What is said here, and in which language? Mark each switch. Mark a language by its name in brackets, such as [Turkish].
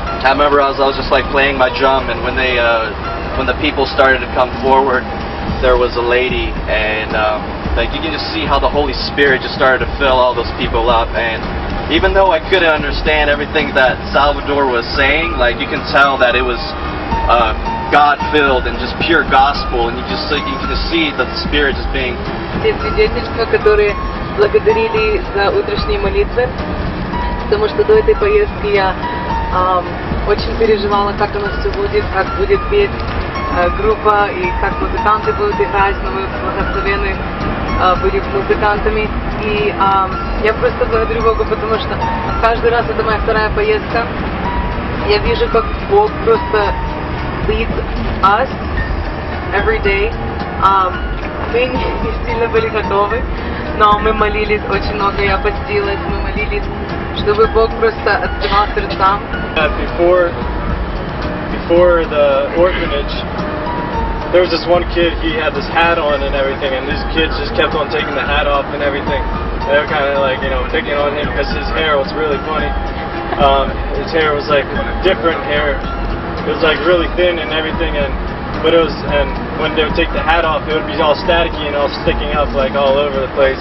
[English] I remember I was just like playing my drum, and when the people started to come forward, there was a lady, and like you can just see how the Holy Spirit just started to fill all those people up. And even though I couldn't understand everything that Salvador was saying, like you can tell that it was God-filled and just pure gospel, and you can just see that the Spirit just being. [Ukrainian] Це свідчення, які благодарили за утрішні молитви, тому що до цієї поїздки я дуже переживала, як воно все буде, як буде петь група і як музиканти будуть грати, ну, благословені будуть музикантами. І я просто благодарю Бога, тому що кожен раз, це моя вторая поїздка, я бачу, як Бог просто leads us every day. Ми не сильно були готові, але ми молились дуже багато, я постилась, ми молились, щоб Бог просто відкривав серця. [English] Before the orphanage, there was this one kid, he had this hat on and everything, and these kids just kept on taking the hat off and everything. They were kind of like, you know, picking on him because his hair was really funny. His hair was like different hair. It was like really thin and everything, and when they would take the hat off, it would be all staticky and all sticking up like all over the place.